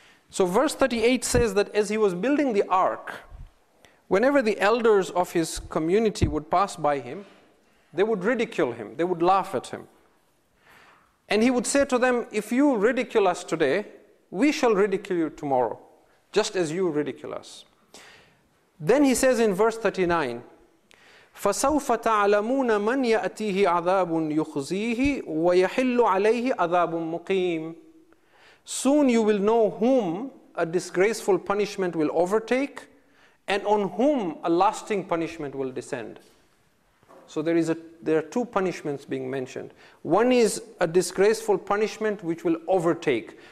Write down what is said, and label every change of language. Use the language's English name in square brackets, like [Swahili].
[English] So verse 38 says that as he was building the ark, whenever the elders of his community would pass by him, they would ridicule him, they would laugh at him. And he would say to them, "If you ridicule us today, we shall ridicule you tomorrow, just as you ridicule us." Then he says in verse 39, [Arabic] فَسَوْفَ تَعْلَمُونَ مَنْ يَأْتِيهِ عَذَابٌ يُخْزِيهِ وَيَحِلُّ عَلَيْهِ عَذَابٌ مُقِيمٌ. [English] Soon you will know whom a disgraceful punishment will overtake and on whom a lasting punishment will descend. So there are two punishments being mentioned. One is a disgraceful punishment which will overtake.